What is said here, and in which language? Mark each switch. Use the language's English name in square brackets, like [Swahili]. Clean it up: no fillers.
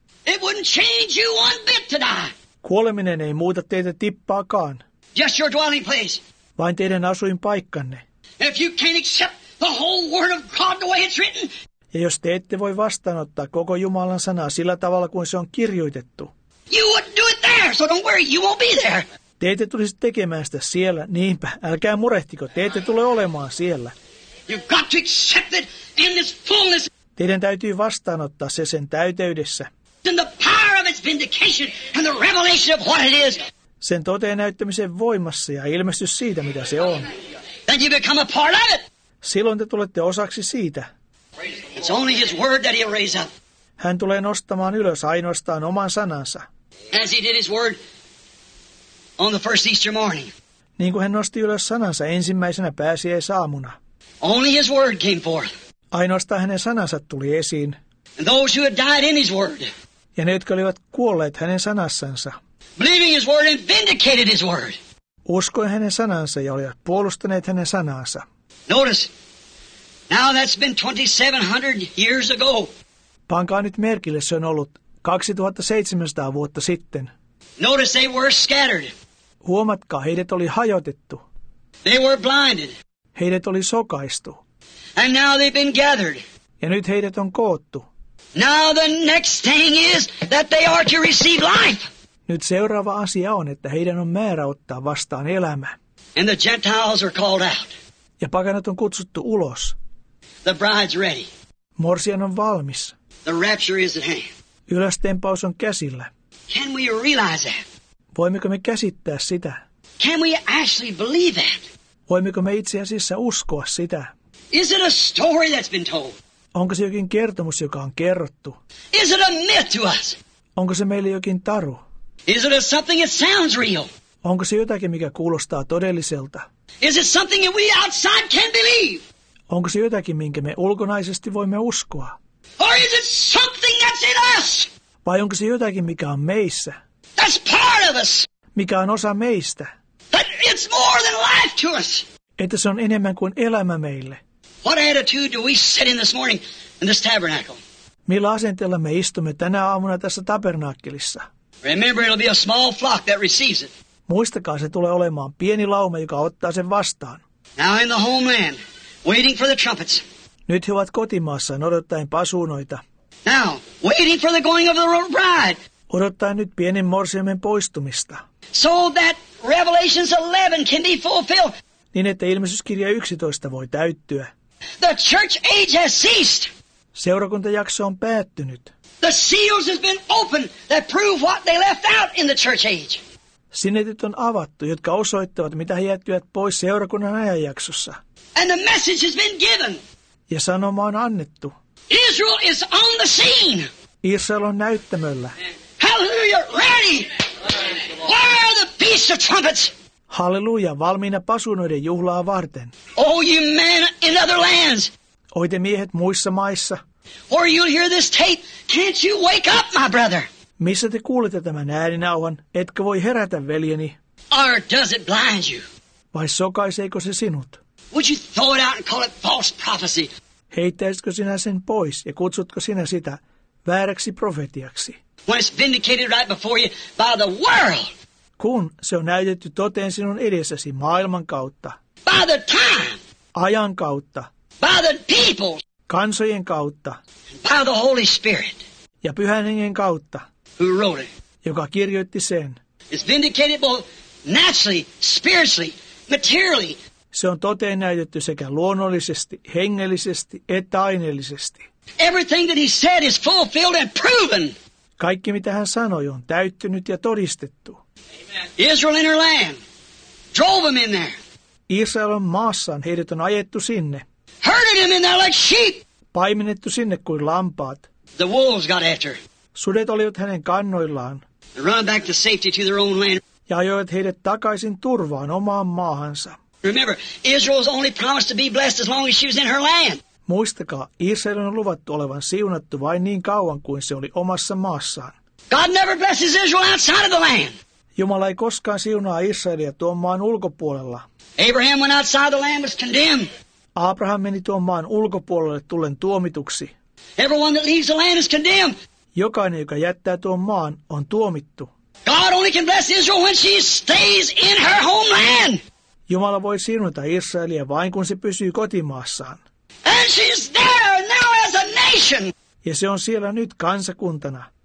[English] It wouldn't change you one bit to die. [Finnish] Kuoleminen ei muuta teitä tippaakaan. [English] Just your dwelling place. [Finnish] Vain teidän asuinpaikkanne. [English] If you can't accept the whole word of God the way it's written. [Finnish] Ja jos te ette voi vastaanottaa koko Jumalan sanaa sillä tavalla kuin se on kirjoitettu. [English] You wouldn't do it there, so don't worry, you won't be there. [Finnish] Te ette tulisi tekemään sitä siellä, niinpä, älkää murehtiko, te ette tule olemaan siellä. [English] You've got to accept it in its fullness. [Finnish] Teidän täytyy vastaanottaa se sen täyteydessä. [English] And the power of its vindication and the revelation of what it is. [Finnish] Sen toteen näyttämisen voimassa ja ilmestys siitä, mitä se on. [English] Then you become a part of it. [Finnish] Silloin te tulette osaksi siitä. [English] It's only his word that he'll raise up. [Finnish] Hän tulee nostamaan ylös ainoastaan oman sanansa. [English] As he did his word on the first Easter morning. [Finnish] Niin kuin hän nosti ylös sanansa ensimmäisenä pääsiäisaamuna. [English] Only his word came forth. [Finnish] Ainoastaan hänen sanansa tuli esiin. [English] And those who had died in his word. [Finnish] Ja ne, jotka olivat kuolleet hänen sanassansa. [English] Believing his word and vindicated his word. [Finnish] Uskoi hänen sanansa ja olivat puolustaneet hänen sanansa. [English] Notice, now that's been 2,700 years ago. [Finnish] Pankaa nyt merkille, se on ollut 2,700 vuotta sitten. [English] Notice they were scattered. [Finnish] Huomatkaa, heidät oli hajotettu. [English] They were blinded. [Finnish] Heidät oli sokaistu. [English] And now they've been gathered. [Finnish] Ja nyt heidät on koottu. [English] Now the next thing is that they are to receive life. [Finnish] Nyt seuraava asia on, että heidän on määrä ottaa vastaan elämä. [English] And the Gentiles are called out. [Finnish] Ja pakanat on kutsuttu ulos. [English] The bride's ready. [Finnish] Morsian on valmis. [English] The rapture is at hand. [Finnish] Ylöstempaus on käsillä. [English] Can we realize that? [Finnish] Voimmeko me käsittää sitä? [English] Can we actually believe that? [Finnish] Voimmeko me itse asiassa uskoa sitä? [English] Is it a story that's been told? [Finnish] Onko se jokin kertomus, joka on kerrottu? [English] Is it a myth to us? [Finnish] Onko se meille jokin taru? [English] Is it a something that sounds real? [Finnish] Onko se jotakin, mikä kuulostaa todelliselta? [English] Is it something that we outside can believe? [Finnish] Onko se jotakin, minkä me ulkonaisesti voimme uskoa? [English] Or is it something that's in us? [Finnish] Vai onko se jotakin, mikä on meissä? [English] That's part of us. [Finnish] Mikä on osa meistä? [English] That it's more than life to us. [Finnish] Että se on enemmän kuin elämä meille. [English] What attitude do we sit in this morning in this tabernacle? [Finnish] Millä asenteella me istumme tänä aamuna tässä tabernaakkelissa? [English] Remember, it'll be a small flock that receives it. [Finnish] Muistakaa, se tulee olemaan pieni lauma, joka ottaa sen vastaan. [English] Now in the homeland, waiting for the trumpets. [Finnish] Nyt he ovat kotimaassaan odottaen pasuunoita. [English] Now, waiting for the going of the royal bride. [Finnish] Odottaen nyt pienen morsiamen poistumista. [English] So that Revelation 11 can be fulfilled. [Finnish] Niin että ilmestyskirja 11 voi täyttyä. [English] The church age has ceased. [Finnish] Seurakuntajakso on päättynyt. [English] The seals has been opened that prove what they left out in the church age. [Finnish] Sinetit on avattu, jotka osoittavat, mitä he jättivät pois seurakunnan ajanjaksossa. [English] And the message has been given. [Finnish] Ja sanoma on annettu. [English] Israel is on the scene. [Finnish] Israel on näyttämöllä. [English] Hallelujah, ready. Where are the beast of trumpets? [Finnish] Halleluja, valmiina pasunoiden juhlaa varten. [English] Oh, you men in other lands. [Finnish] Oi te miehet muissa maissa. [English] Or you'll hear this tape. Can't you wake up, my brother? [Finnish] Missä te kuulette tämän ääninauhan? Etkö voi herätä, veljeni? [English] Or does it blind you? [Finnish] Vai sokaiseeko se sinut? [English] Would you throw it out and call it false prophecy? [Finnish] Heittäisitkö sinä sen pois ja kutsutko sinä sitä vääräksi profetiaksi? [English] When it's vindicated right before you by the world. [Finnish] Kun se on näytetty toteen sinun edessäsi maailman kautta. [English] By the time. [Finnish] Ajan kautta. [English] By the people. [Finnish] Kansojen kautta. [English] By the Holy Spirit. [Finnish] Ja Pyhän Hengen kautta. [English] Who wrote it? [Finnish] Joka kirjoitti sen. [English] It's vindicated both naturally, spiritually, materially. [Finnish] Se on toteen näytetty sekä luonnollisesti, hengellisesti että aineellisesti. [English] Everything that he said is fulfilled and proven. [Finnish] Kaikki mitä hän sanoi on täyttynyt ja todistettu. [English] Israel in her land. Drove them in there. [Finnish] Israelin maassaan heidät on ajettu sinne. [English] Herded them in there like sheep. [Finnish] Paimennettu sinne kuin lampaat. [English] The wolves got after. [Finnish] Sudet olivat hänen kannoillaan. [English] They run back to safety to their own land. [Finnish] Ja ajoivat heidät takaisin turvaan omaan maahansa. [English] Remember, Israel's only promised to be blessed as long as she was in her land. [Finnish] Muistakaa, Israelin on luvattu olevan siunattu vain niin kauan kuin se oli omassa maassaan. [English] God never blesses Israel outside of the land. [Finnish] Jumala ei koskaan siunaa Israelia tuon maan ulkopuolella. [English] Abraham went outside the land was condemned. [Finnish] Abraham meni tuon maan ulkopuolelle tullen tuomituksi. [English] Everyone that leaves the land is condemned. [Finnish] Jokainen, joka jättää tuon maan, on tuomittu. [English] God only can bless Israel when she stays in her homeland. [Finnish] Jumala voi siunata Israelia vain kun se pysyy kotimaassaan. [English] And she's there now as a nation. [Finnish] Ja se on siellä nyt kansakuntana.